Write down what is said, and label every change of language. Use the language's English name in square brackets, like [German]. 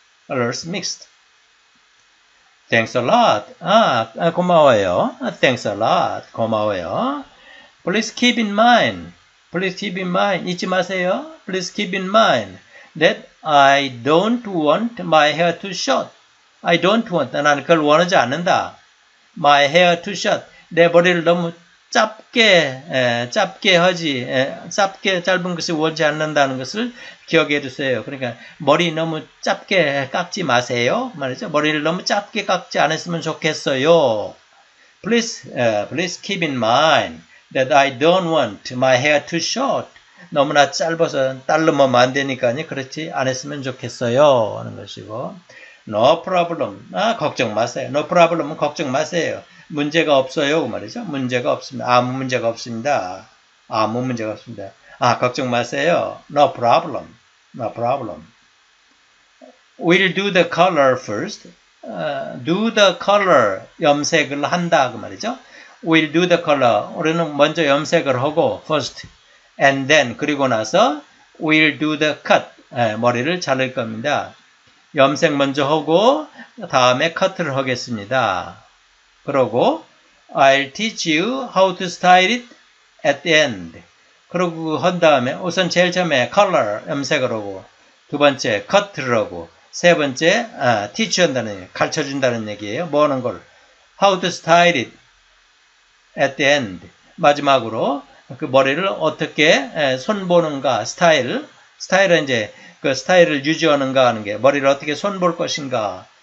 [English] Colors mixed. Thanks a lot. [Korean] 아, 고마워요. [English] Thanks a lot. [Korean] 고마워요. Please keep in mind. Please keep in mind, 잊지 마세요. [English] Please keep in mind that I don't want my hair too short. I don't want, [Korean] 나는 그걸 원하지 않는다. [English] My hair too short. [Korean] 내 머리를 너무 짧게 짧은 것을 원하지 않는다는 것을 기억해 주세요. 그러니까 머리 너무 짧게 깎지 마세요. 말이죠. 머리를 너무 짧게 깎지 않았으면 좋겠어요. [English] Please keep in mind. That I don't want my hair too short. [Korean] 너무나 짧아서 자르면 안 되니까요. 그렇지 않았으면 좋겠어요. 하는 것이고. [English] No problem. [Korean] 아, 걱정 마세요. [English] No problem [Korean] 은 걱정 마세요. 문제가 없어요. 그 말이죠. 문제가 없습니다. 아무 문제가 없습니다. 아무 문제가 없습니다. 아, 걱정 마세요. [English] No problem. No problem. We'll do the color first. Do the color. [Korean] 염색을 한다. 그 말이죠. [English] We'll do the color. [Korean] 우리는 먼저 염색을 하고 [English] first and then [Korean] 그리고 나서 [English] we'll do the cut. [Korean] 머리를 자를 겁니다. 염색 먼저 하고 다음에 커트를 하겠습니다. 그러고 [English] I'll teach you how to style it at the end. [Korean] 그러고 한 다음에 우선 제일 처음에 color 염색을 하고 두 번째 커트를 하고 세 번째 teach 한다는 얘기, 가르쳐 준다는 얘기예요. 뭐 하는 걸 [English] how to style it at the end. [Korean] 마지막으로 그 머리를 어떻게 손보는가, 스타일은 이제 그 스타일을 유지하는가 하는 게 머리를 어떻게 손볼 것인가.